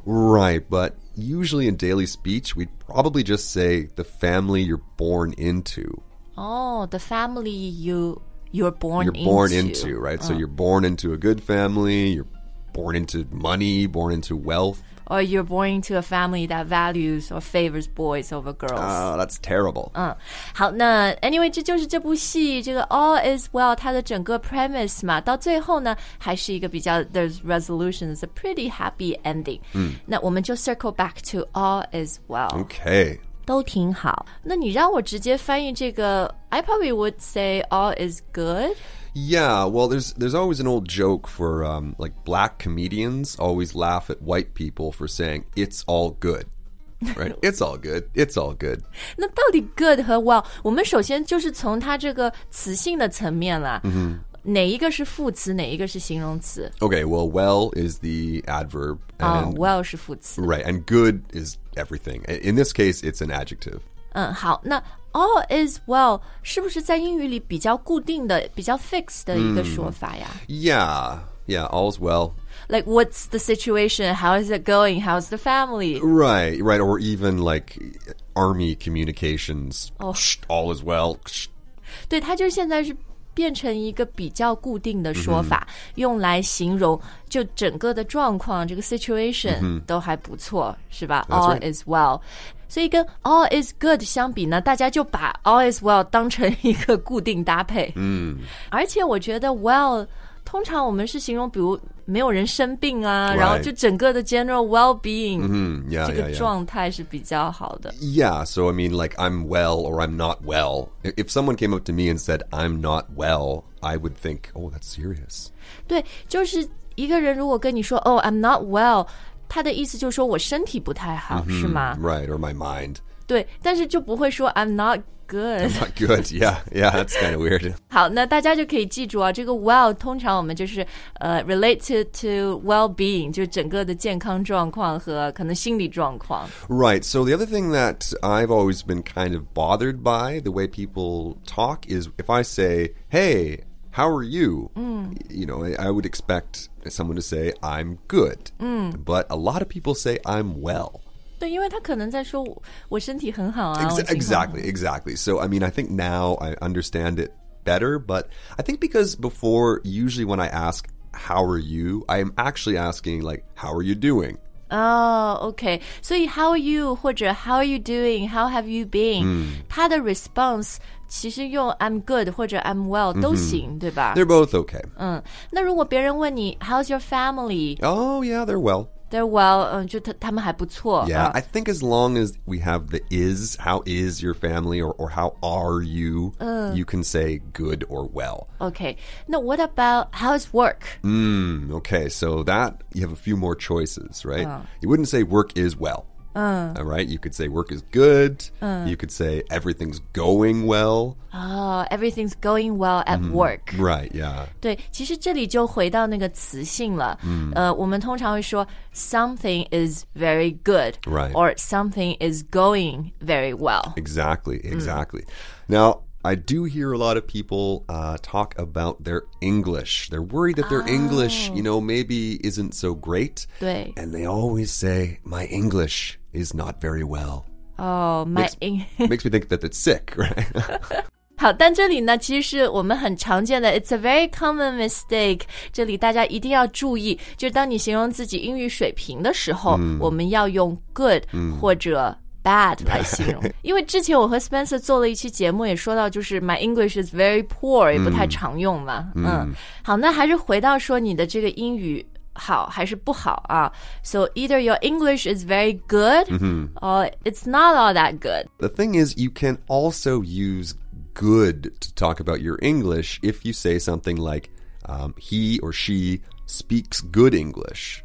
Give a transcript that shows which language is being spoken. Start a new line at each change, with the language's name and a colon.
English: Right, but usually in daily speech, we'd probably just say the family you're born into. Oh, the family you're born into, right? So you're born into a good family, you're born into money, born into wealth. Or you're born into a family that values or favors boys over girls. Oh, that's terrible.
Chinese: 好，那 anyway, 这就是这部戏，这个 All is Well, 它的整个 premise 嘛，到最后呢，还是一个比较
English: there's resolution, it's a pretty happy ending.
Chinese: 那我们就
English: circle back to
Chinese: All is Well.
English: Okay.
Chinese: 都挺好。那你让我直接翻译这个
English: I probably would say all is good. Yeah, well, there's always an old joke for, like, black comedians always laugh at white people for saying, it's all good. Right? It's all good. It's all good.
Chinese: 那到底 good 和 well, 我们首先就是从它这个词性的层面啦。哪一个是副词，哪一个是形容词
English: Okay, well, well is the adverb.
Chinese: Well 是副词
English: Right, and good is everything. In this case, it's an adjective.
Chinese: 好，那 all is well 是不是在英语里比较固定的，比较 fixed 的一个说法呀
English: Yeah, yeah, all is well. Like, what's the situation? How is it going? How's the family? Right, right, or even like army communications. All is well.
Chinese: 对，它就现在是变成一个比较固定的说法、用来形容就整个的状况这个 situation、都还不错是吧 all、
English: right.
Chinese: is well 所以跟 all is good 相比呢大家就把 all is well 当成一个固定搭配、而且我觉得 well 通常我们是形容比如没有人生病啊、
English: right.
Chinese: 然后就整个的 general well-being、
English: yeah,
Chinese: 这个状态是比较好的
English: Yeah, so I mean like I'm well or I'm not well If someone came up to me and said I'm not well I would think, oh, that's serious
Chinese: 对就是一个人如果跟你说
English: Oh, I'm not well
Chinese: 他的意思就是说我身体不太好、是吗
English: Right, or my mind
Chinese: 对但是就不会说
English: I'm not good I'm not good, yeah, yeah, that's kind of weird
Chinese: 好那大家就可以记住啊这个 well 通常我们就是
English: related to well-being
Chinese: 就整个的健康状况和可能心理状况
English: Right, so the other thing that I've always been kind of bothered by the way people talk is if I say, hey, how are you?、You know, I would expect someone to say, I'm good、But a lot of people say, I'm well
Chinese: 对，因为他可能在说我身体很好啊。
English: Exactly, exactly. So, I mean, I think now I understand it better, but I think because before, usually when I ask, how are you, I'm actually asking, like, how are you doing? Oh, okay. So, how are you, 或者 how are you doing, how have you been?、
Chinese: 他的 response 其实用
English: I'm good 或者 I'm well
Chinese: 都行、对吧
English: They're both okay.
Chinese: 那如果别人问你
English: how's your family? Oh, yeah, they're well. They're well,
Chinese: 就他们还不错。
English: Yeah, I think as long as we have the is, how is your family, or how are you,、you can say good or well. Okay, now what about how's work? Okay, so that, you have a few more choices, right?、You wouldn't say work is well. All right, you could say work is good. You could say everything's going well. Oh, everything's going well at work. Right, yeah.
Chinese: 对，其实这里就回到那个词性了。我们通常会说
English: something is very good. Right. Or something is going very well. Exactly, exactly. Now, I do hear a lot of people talk about their English. They're worried that their English, you know, maybe isn't so great.
Chinese: 对。
English: And they always say, my English is not very well. Oh, my English. Makes me think that it's sick, right?
Chinese: 好，但这里呢，其实是我们很常见的。
English: It's a very common mistake.
Chinese: 这里大家一定要注意，就是当你形容自己英语水平的时候，我们要用 good 或者bad 来形容，因为之前我和 Spencer 做了一期节目，也说到就是
English: my English is very poor，
Chinese: 也不太常用嘛。好，那还是回到说你的这个英语好还是不好啊 ？
English: So either your English is very good, or it's not all that good. The thing is, you can also use good to talk about your English if you say something like, he or she speaks good English.